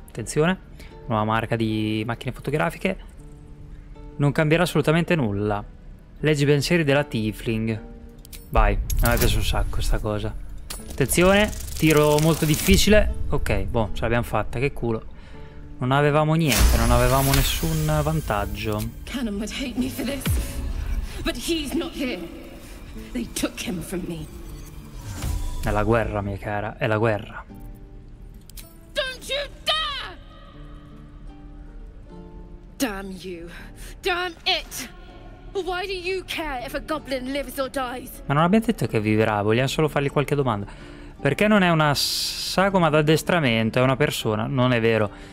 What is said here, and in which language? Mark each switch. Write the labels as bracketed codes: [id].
[it] Attenzione, nuova marca di macchine fotografiche. Non cambierà assolutamente nulla. Leggi pensieri della Tiefling. Vai, a me piace un sacco questa cosa. Attenzione, tiro molto difficile. Ok, boh, ce l'abbiamo fatta, che culo. Non avevamo niente, non avevamo nessun vantaggio. [en] Canon would hate me for this, but he's not here. They took him from me. [it] È la guerra, mia cara, è la guerra. [en] Don't you dare! Damn you, damn it! Why do you care if a goblin lives or dies? [it] Ma non abbiamo detto che vivrà, vogliamo solo fargli qualche domanda. Perché non è una sagoma d'addestramento, è una persona, non è vero.